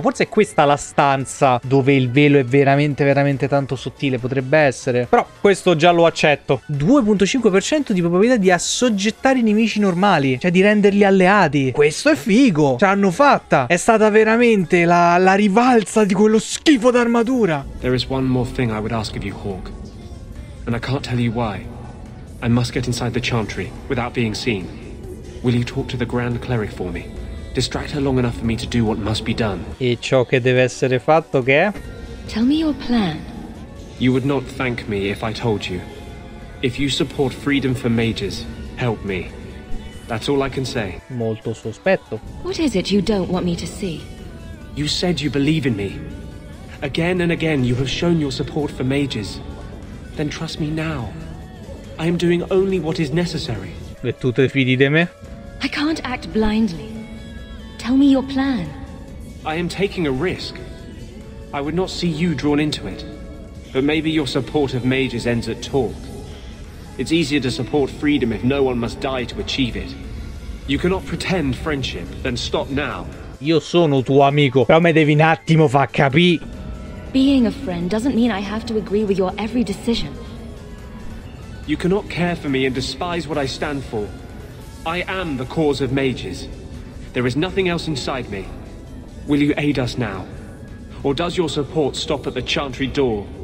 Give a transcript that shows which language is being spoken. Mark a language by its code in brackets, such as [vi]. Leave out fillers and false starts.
[it] Forse è questa la stanza dove il velo è veramente, veramente tanto sottile, potrebbe essere. Però questo già lo accetto. 2.5% di probabilità di assoggettare i nemici normali, cioè di renderli alleati. Questo è figo, ce l'hanno fatta. È stata veramente la rivalsa di quello schifo d'armatura. [en] There is one more thing I would ask of you, Hawk, and I can't tell you why. I must get inside the chantry without being seen. Will you talk to the Grand Cleric for me? Distract her long enough for me to do what must be done. [it] E ciò che deve essere fatto, che è? [en] Tell me your plan. You would not thank me if I told you. If you support freedom for mages, help me. That's all I can say. [it] Molto sospetto. [en] What is it you don't want me to see? You said you believe in me. Again and again you have shown your support for mages. Then trust me now. I am doing only what is necessary. [it] E tu te fidi di me? [en] I can't act blindly. Tell me your plan. I am taking a risk. I would not see you drawn into it. But maybe your support of mages ends at talk. It's easier to support freedom if no one must die to achieve it. You cannot pretend friendship, then stop now. [it] Io sono tuo amico, però me devi un attimo far capì. [en] Being a friend doesn't mean I have to agree with your every decision. You cannot care for me and despise what I stand for. I am the cause of mages. There is nothing else inside me. Will you aid us now? Or does your support stop at the Chantry door?